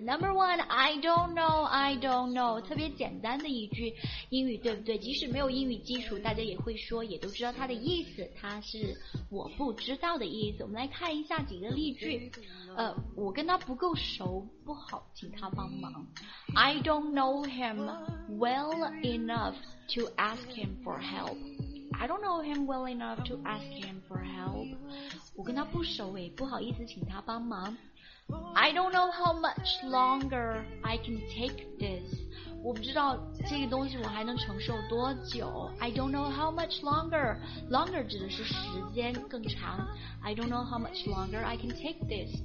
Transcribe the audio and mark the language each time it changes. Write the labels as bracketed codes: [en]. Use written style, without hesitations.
[en] Number one, I don't know, [zh] I don't know， 特别简单的一句英语，对不对？即使没有英语基础，大家也会说，也都知道它的意思，它是我不知道的意思。我们来看一下几个例句。我跟他不够熟，不好请他帮忙。 [en] I don't know him well enough to ask him for help. I don't know him well enough to ask him for help. [zh] 我跟他不熟诶，不好意思请他帮忙。 [en] I don't know how much longer I can take this. [zh] 我不知道这个东西我还能承受多久。 [en] I don't know how much longer. Longer [zh] 指的是时间更长。 [en] I don't know how much longer I can take this.